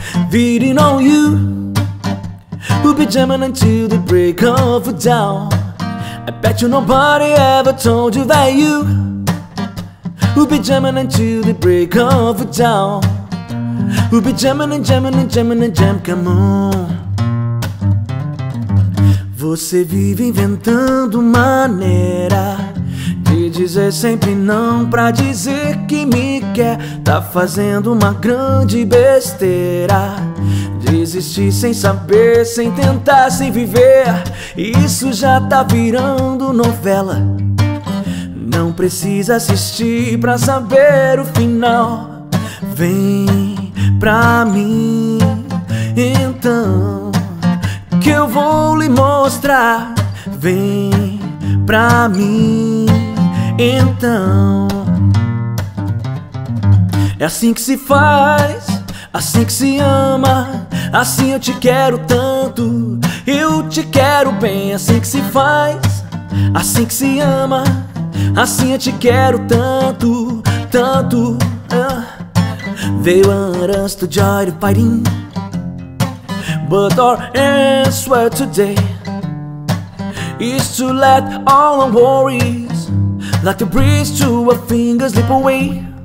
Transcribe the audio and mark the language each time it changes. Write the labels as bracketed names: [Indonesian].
[English] Beating on you, we'll be jamming until the break of dawn. I bet you nobody ever told you that you we'll be jamming until the break of dawn. We'll be jamming and jamming and jamming and jam, come on. [Portuguese] Você vive inventando maneira de dizer sempre não pra dizer que me quer. Tá fazendo uma grande besteira. Desistir sem saber, sem tentar, sem viver. Isso já tá virando novela. Não precisa assistir pra saber o final. Vem pra mim, então, que eu vou lhe mostrar. Vem pra mim, então. É assim que se faz, assim que se ama. Assim eu te quero tanto, eu te quero bem. Assim que se faz, assim que se ama. Assim eu te quero tanto, tanto. [English] They want us to join the fighting, but our answer today is to let all our worries, like the breeze to our fingers, slip away.